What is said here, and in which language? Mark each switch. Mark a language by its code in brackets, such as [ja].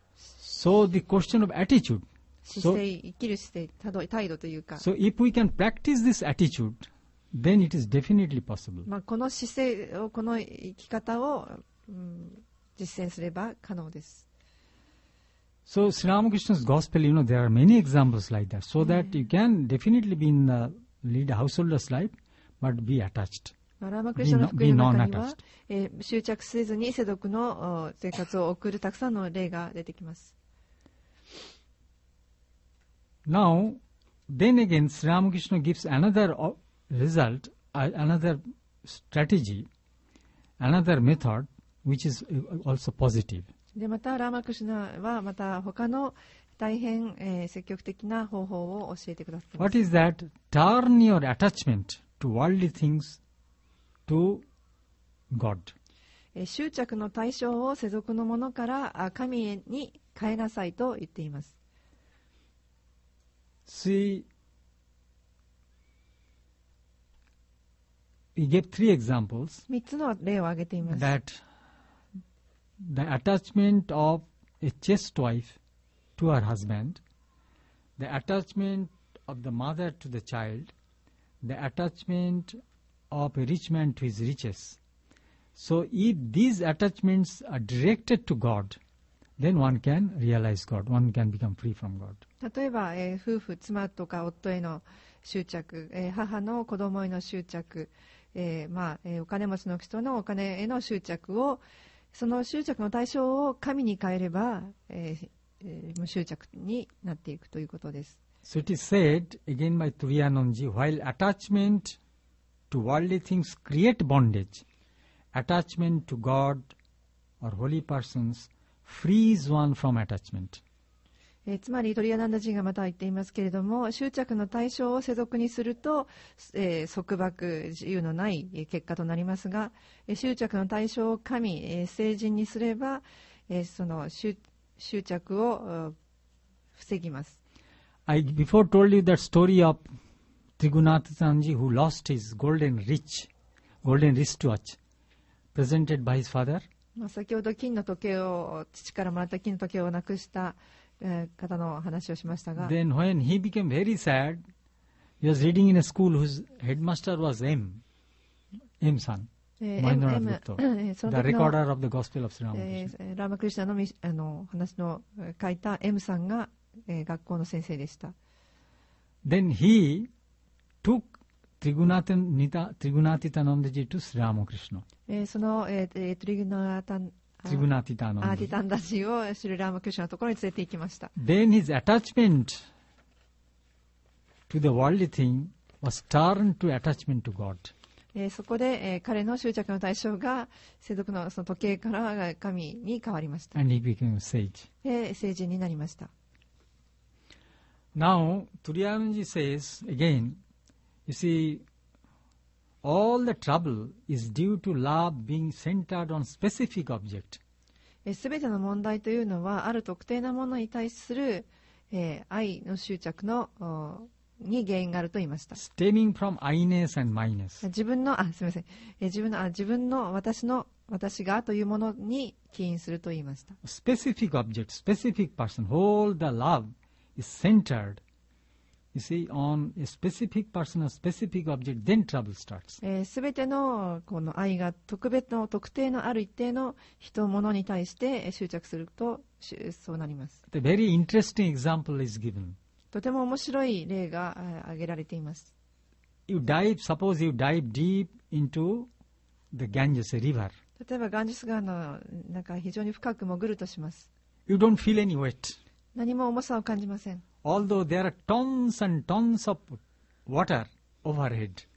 [en] So the question of attitude. [ja] 姿勢、生きる姿勢、態度というか。 [en] So if we can practice this attitude. Then it is definitely possible. [ja] まあ、この姿勢をこの生き方を、実践すれば可能です。 [en] So Sri Ramakrishna's gospel, you know, there are many examples like that. So that you can definitely be in the lead a householder's life, but be attached. [ja] ラマクリシャの福音の中には、執着せずに世俗の生活を送るたくさんの例が出てきます。 [en] Now, then again, Sri Ramakrishna gives another. Result, another strategy, another method, which is also positive. [ja] でまたラーマクシュナはまた他の大変、積極的な方法を教えてくださってます。 [en] What is that? Turn your attachment to worldly things to God. [ja] 執着の対象を世俗のものから神に変えなさいと言っています。 [en] See. He gave three examples. [ja] 三つの例を挙げています。 [en] That the attachment of a chaste wife to her husband, the attachment of the mother to the child, the attachment of a rich man to his riches. So if these attachments are directed to God, then one can realize God. One can become free from God. [ja] 例えば、夫婦、妻とか夫への執着、母の子供への執着。まあお金持ちの人のお金への執着をその執着の対象を神に変えれば、無執着になっていくということです。 [en] So it is said again by Turiyanonji, while attachment to worldly things create bondage, attachment to God or holy persons frees one from attachment. [ja] つまりトリアナンダジーがまた言っていますけれども執着の対象を世俗にすると、束縛自由のない結果となりますが執着の対象を神、聖人にすれば、その執着を防ぎます。 [en] I before told you that story of Trigunath Sanji who lost his golden wristwatch presented by his father. [ja] 先ほど金の時計を父からもらった金の時計をなくした方の話をしましたが、 [en] Then when he became very sad, he was reading in a school whose headmaster was M. Mahendranath Gupta, the recorder of the Gospel of Sri Ramakrishna. [ja] ラマクリシナの話の書いた M さんが、学校の先生でした。 [en] Then he took Trigunathitananda ji to Sri Ramakrishna. [ja] その、 [en] Trigunathitananda ji [ja] をシルラームクシュのところに連れて行きました。 [en] Then his attachment to the worldly thing was turned to attachment to God. [ja] そこで、彼の執着の対象が世俗 の, その時計から神に変わりました。 [en] And he became a sage. [ja] で、聖人になりました。 [en] Now, Turiyamji says again, you see, all the trouble is due to love being centered on specific object. [ja] すべての問題というのは、ある特定なものに対する、愛の執着のに原因があると言いました。 [en] Stemming from I-ness and my-ness. [ja] 自分の、あ、すみません。自分の、あ、自分の、私の、私がというものに起因すると言いました。 [en] Specific object, specific person, all the love is centered, you see, on a specific person or specific object, then trouble starts. [ja] すべてのこの愛が特別の特定のある一定の人ものに対して執着すると、そうなります。 [en] The very interesting example is given. [ja] とても面白い例が挙げられています。 [en] You dive, suppose you dive deep into the Ganges River. [ja] 例えばガンジス川の中非常に深く潜るとします。 [en] You don't feel any weight. [ja] 何も重さを感じません。 [en] Although there are tons and tons of water overhead.